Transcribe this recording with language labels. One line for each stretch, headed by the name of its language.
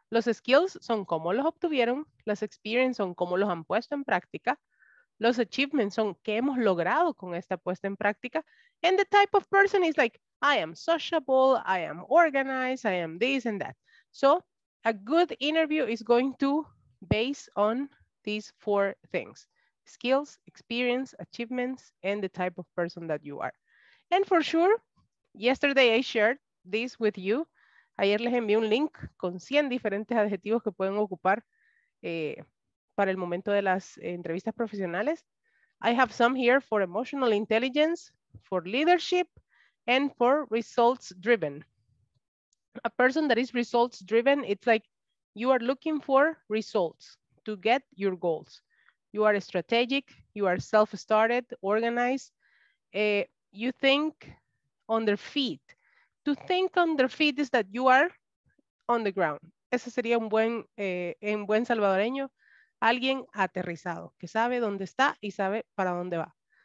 Spanish: Los skills son cómo los obtuvieron, las experiencias son cómo los han puesto en práctica, los achievements son qué hemos logrado con esta puesta en práctica,
English: and the type of person is like, I am sociable, I am organized, I am this and that. So a good interview is going to base on these four things: skills, experience, achievements, and the type of person that you are. And for sure, yesterday I shared this with you.
Spanish: Ayer les envié un link con 100 diferentes adjetivos que pueden ocupar para el momento de las entrevistas profesionales.
English: I have some here for emotional intelligence, for leadership, and for results driven. A person that is results driven, it's like you are looking for results to get your goals. You are strategic, you are self-started, organized. You think on their feet. To think on their feet is that you are on the ground.
Spanish: Ese sería un buen, en buen salvadoreño, alguien aterrizado, que sabe dónde está y sabe para dónde va.